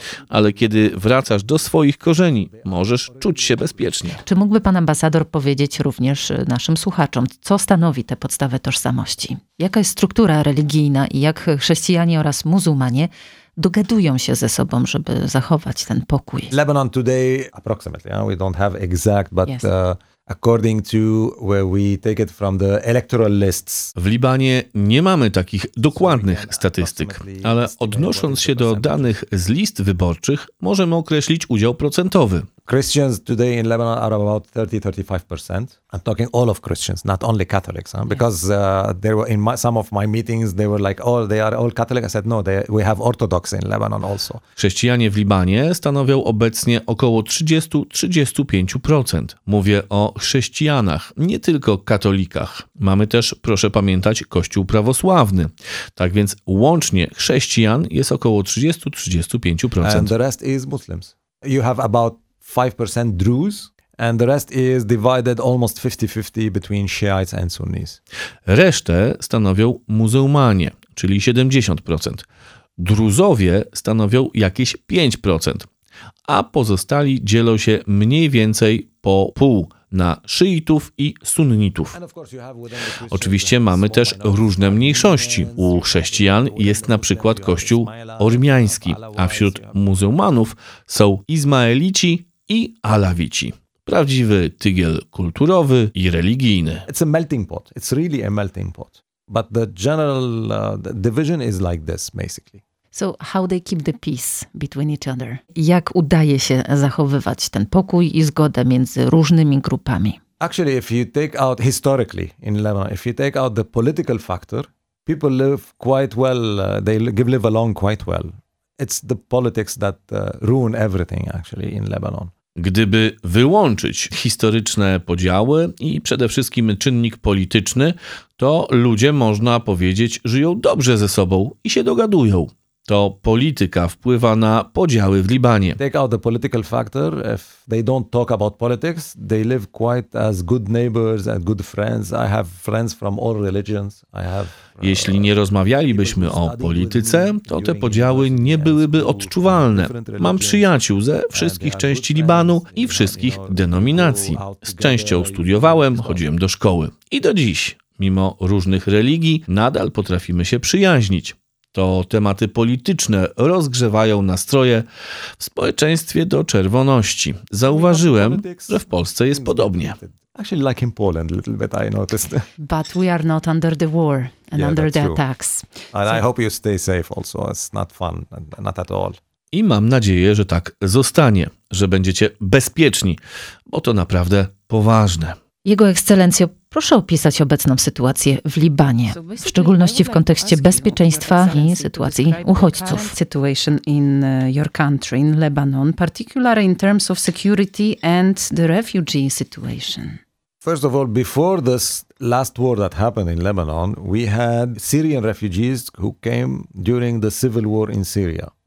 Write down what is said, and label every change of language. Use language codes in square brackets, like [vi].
[pl] Ale kiedy wracasz do swoich korzeni, możesz czuć się bezpiecznie. Czy mógłby pan ambasador powiedzieć również naszym słuchaczom, co stanowi tę podstawę tożsamości? Jaka jest struktura religijna i jak chrześcijanie oraz muzułmanie dogadują się ze sobą, żeby zachować ten pokój? [en] Lebanon today, approximately, we don't have exact, but... Yes. According to where we take it from the electoral lists. [pl] W Libanie nie mamy takich dokładnych statystyk, ale odnosząc się do danych z list wyborczych, możemy określić udział procentowy. [en] Christians today in Lebanon are about 30-35%. I'm talking all of Christians, not only Catholics, huh? Because there were in my, some of my meetings they were like, oh, they are all Catholic. I said, no, we have Orthodox in Lebanon also. [pl] Chrześcijanie w Libanie stanowią obecnie około 30-35%. Mówię o chrześcijanach, nie tylko katolikach. Mamy też, proszę pamiętać, Kościół prawosławny. Tak więc łącznie chrześcijan jest około 30-35%. [en] And the rest is Muslims. You have about 5% Druze, and the rest is divided almost 50-50 between Shiites and Sunnis. [pl] Resztę stanowią muzułmanie, czyli 70%. Druzowie stanowią jakieś 5%, a pozostali dzielą się mniej więcej po pół na szyitów i sunnitów. Oczywiście mamy też różne mniejszości. U chrześcijan jest na przykład kościół ormiański, a wśród muzułmanów są Izmaelici i Alawici. Prawdziwy tygiel kulturowy i religijny. [en] It's a melting pot. It's really a melting pot. But the general division is like this, basically. So how they keep the peace between each other? [pl] Jak udaje się zachowywać ten pokój i zgodę między różnymi grupami? [en] Actually, if you take out historically in Lebanon, if you take out the political factor, people live quite well, they live along quite well. It's the politics that ruin everything actually in Lebanon. [pl] Gdyby wyłączyć historyczne podziały i przede wszystkim czynnik polityczny, to ludzie, można powiedzieć, żyją dobrze ze sobą i się dogadują. To polityka wpływa na podziały w Libanie. [en] Take out the political factor. If they don't talk about politics, they live quite as good neighbors and good friends. I have friends from all religions. I have. [pl] Jeśli nie rozmawialibyśmy o polityce, to te podziały nie byłyby odczuwalne. Mam przyjaciół ze wszystkich części Libanu i wszystkich denominacji. Z częścią studiowałem, chodziłem do szkoły. I do dziś, mimo różnych religii, nadal potrafimy się przyjaźnić. To tematy polityczne rozgrzewają nastroje w społeczeństwie do czerwoności. Zauważyłem, że w Polsce jest podobnie. [en] Actually, like in Poland, a little bit, I noticed. But we are not under the war and yeah, under the true. Attacks. And so, I hope you stay safe also. It's not fun, not at all. [pl] I mam nadzieję, że tak zostanie, że będziecie bezpieczni, bo to naprawdę poważne. Jego Ekscelencjo, proszę opisać obecną sytuację w Libanie, w szczególności w kontekście bezpieczeństwa i sytuacji uchodźców. [en] Situation in your country, in Lebanon, particularly in terms of security and the refugee situation. First of all, before this last war that happened in Lebanon, we had Syrian refugees who came during the civil war in Syria.